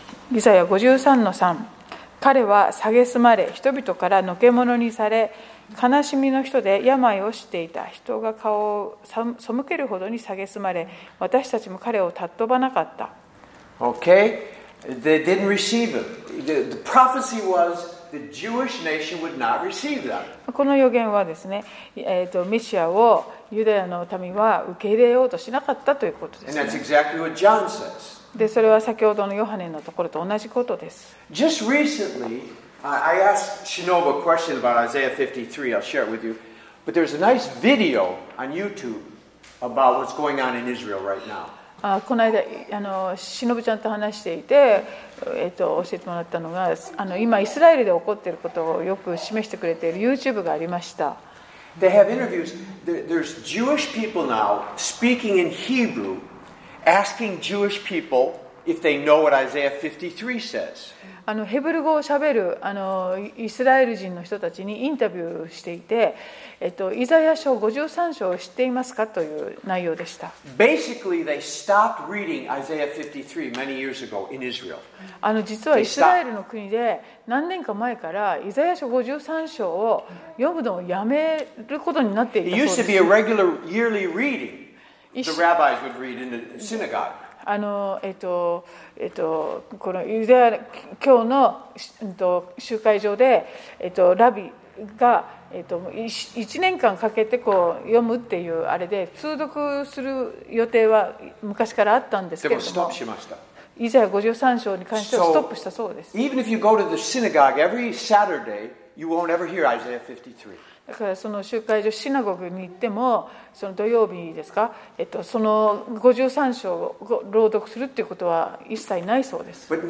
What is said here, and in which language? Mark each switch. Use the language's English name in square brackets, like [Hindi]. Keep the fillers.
[Japanese] ギザヤ53の3彼は蔑まれ人々からのけ者にされ悲しみの人で病をしていた人が顔を背けるほどに蔑まれ私たちも彼を尊ばなかった [English] OK they didn't receive him the, the prophecy was the Jewish nation would not receive that [Japanese] この予言はですね、えー、とミシアをユダヤの民は受け入れようとしなかったということです、ね、 [English] and that's exactly what John says [Japanese] でそれは先ほどのヨハネのところと同じことです。 [English] Just recently, I asked Shinobu a question about Isaiah 53. I'll share it with you. But there's a nice video on YouTube about what's going on in Israel right now. [Japanese] あこの間あの、しのぶちゃんと話していて、えー、と教えてもらったのがあの、今、イスラエルで起こっていることをよく示してくれている YouTube がありました。 [English] They have interviews. There's Jewish people now speaking in Hebrew asking Jewish people if they know what Isaiah 53 says. [Japanese] あのヘブル語をしゃべるあのイスラエル人の人たちにインタビューしていて、えっと、イザヤ書53章を知っていますかという内容でした。 [English] Basically, they stopped reading Isaiah 53 many years ago in Israel. [Japanese] あの実はイスラエルの国で何年か前からイザヤ書53章を読むのをやめることになっていたそうです。 [English] It used to be a regular yearly reading. the rabbis would read in the synagogue. [Japanese] あのえっとえっとこのユダヤ教のうん、えっと集会場でえっとラビがえっと一年間かけてこう読むっていうあれで通読する予定は昔からあったんですけれども。でもストップしました。イ53章に関してはストップしたそうです。 [English] even if you go to the synagogue every Saturday, you won't ever hear Isaiah 53. [Japanese] だからその集会所シナゴグに行ってもその土曜日ですか、えっと、その53章を朗読するっていうことは一切ないそうです。